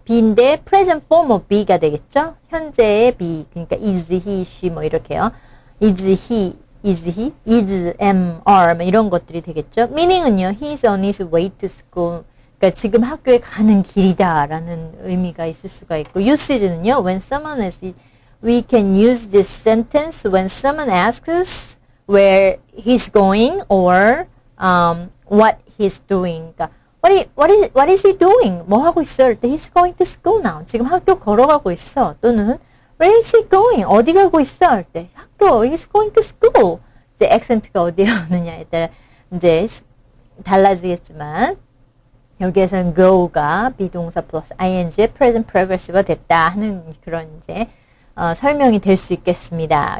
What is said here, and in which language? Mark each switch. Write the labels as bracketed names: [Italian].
[Korean] be인데 [English] present form of be [Korean] 가 되겠죠? 현재의 be, 그러니까 is he, she 뭐 이렇게요. [English] is he, is am, are [Korean] 뭐 이런 것들이 되겠죠? [English] meaning은요, he's on his way to school [Korean] 그러니까 지금 학교에 가는 길이다라는 의미가 있을 수가 있고 usage는요. [English] When someone is we can use this sentence when someone asks us where he's going or what he's doing. 그러니까 What is he doing? [Korean] 뭐 하고 있어? [English] He's going to school now. [Korean] 지금 학교 걸어가고 있어. 또는 [English] Where is he going? [Korean] 어디 가고 있어? 때 학교. [English] He's going to school. [Korean] 이제 액센트가 어디에 오느냐에 따라 이제 달라지겠지만 여기에서는 go가 비동사 플러스 ing의 present progressive가 됐다 하는 그런 이제 설명이 될 수 있겠습니다.